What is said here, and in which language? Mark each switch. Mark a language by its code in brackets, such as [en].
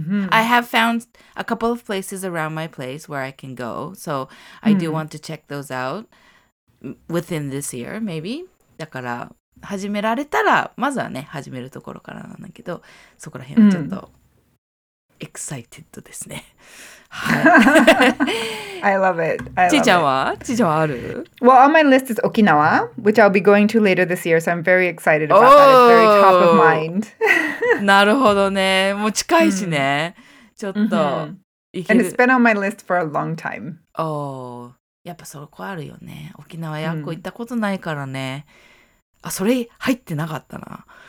[en] I have found a couple of places around my place where I can go, so I do want to check those out within this year, maybe. [ja] だから始められたら、まずはね、始めるところからなんだけど、そこら辺はちょっと excited ですね。 [en] I love it. [ja] ちーちゃんはある? [en] Well, on my list is Okinawa, which I'll be going to later this year, so I'm very excited about that. It's very top of mind. [ja] なるほどね。もう近いしね。ちょっと行ける。 [en] And it's been on my list for a long time. [ja] Oh, やっぱそこあるよね。沖縄やっこ行ったことないからね。あ、それ入ってなかったな。